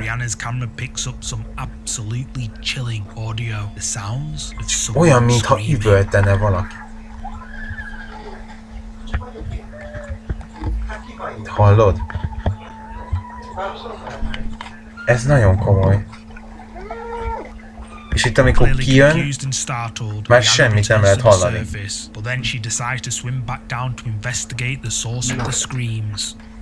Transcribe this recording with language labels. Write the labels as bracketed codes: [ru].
[en] Brianna's camera picks up some absolutely chilling audio. The sounds of someone [hu] olyan, mintha üvöltene valaki. Hallod? Ez nagyon komoly. És itt, amikor kijön, már semmit nem lehet hallani. [en] But then she decides to swim back down to investigate the source of the screams.